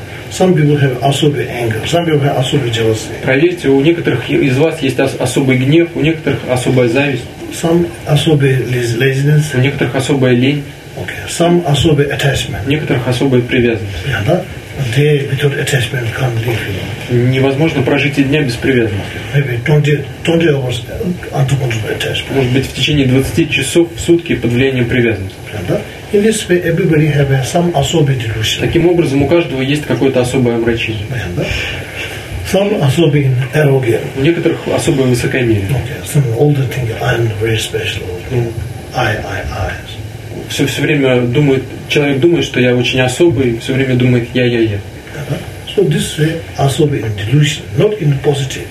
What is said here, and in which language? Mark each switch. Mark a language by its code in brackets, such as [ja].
[en] Some people have [ru] особый [en] anger, some people have особый jealousy. [ru] Проверьте, у некоторых из вас есть особый гнев, у некоторых особая зависть. [en] Some [ru] особый [en] laziness. [ru] У некоторых особая лень. [en] Okay. Some [ru] особый [en] attachment. [ru] У некоторых особая привязанность. [en] Yeah, day without attachment can't live. [ru] Невозможно прожить и дня без привязанности. [en] Maybe 20 hours uncontrolled attachment. [ru] Может быть, в течение 20 часов в сутки под влиянием привязанности. [en] In this way, everybody have some [ru] особый [en] delusion. [ru] Таким образом, у каждого есть какое-то особое омрачение. [en] Some [ru] особый [en] arrogant. [ru] У некоторых особое высокомерие. [en] Okay. Some older thing, I'm very special. I. [ru] Все время думает, человек думает, что я очень особый, все время думает я. [en] So this way, [ru] особый [en] in delusion, not in positive.